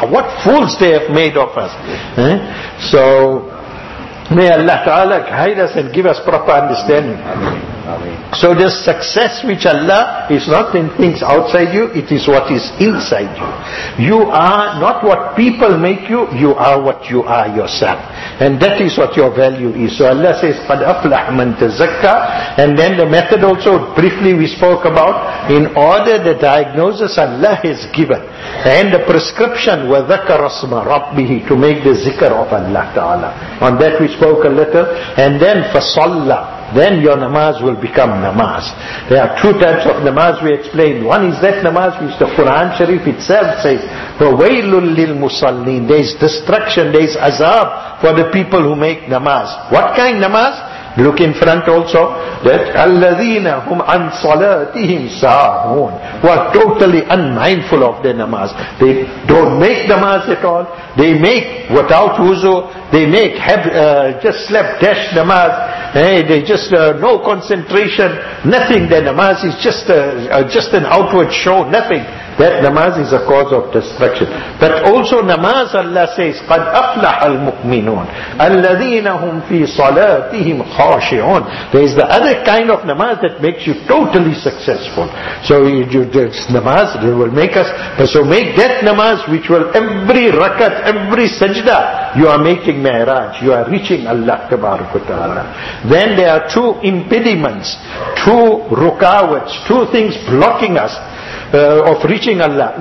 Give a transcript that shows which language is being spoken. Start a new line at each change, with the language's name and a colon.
English: What fools they have made of us. So, may Allah Ta'ala guide us and give us proper understanding. So this success which Allah is not in things outside you, it is what is inside you. You are not what people make you, you are what you are yourself. And that is what your value is. So Allah says,
Arabic: قَدْ أَفْلَحْ مَنْ تَزَكَّى.
English: And then the method also, briefly we spoke about, in order the diagnosis Allah has given, and the prescription,
Arabic: وَذَكَرَ اسْمَ رَبِّهِ,
English: to make the zikr of Allah Ta'ala. On that we spoke a little. And then, فَصَلَّى. Then your namaz will become namaz. There are two types of namaz we explained. One is that namaz which the Quran Sharif itself says,
Arabic: وَوَيْلٌ لِلْمُصَلِّينَ.
English: There is destruction, there is azab for the people who make namaz. What kind of namaz? Look in front also. That
Arabic: الَّذِينَ هُمْ عَنْ صَلَاتِهِمْ سَاهُونَ,
English: who are totally unmindful of their namaz. They don't make namaz at all. They make without wuzu. They make just slapdash namaz. They just no concentration, nothing. Their namaz is just an outward show, nothing. That namaz is a cause of destruction. But also namaz, Allah says,
Arabic: قَدْ أَفْلَحَ الْمُؤْمِنُونَ الَّذِينَ هُمْ فِي صَلَاتِهِمْ خَاشِعُونَ.
English: There is the other kind of namaz that makes you totally successful. So this namaz will make us, so make that namaz which will every rakat, every sajda, you are making mi'raj, you are reaching Allah tabarak wa ta'ala. Then there are two impediments, two rukawats, two things blocking us of reaching Allah.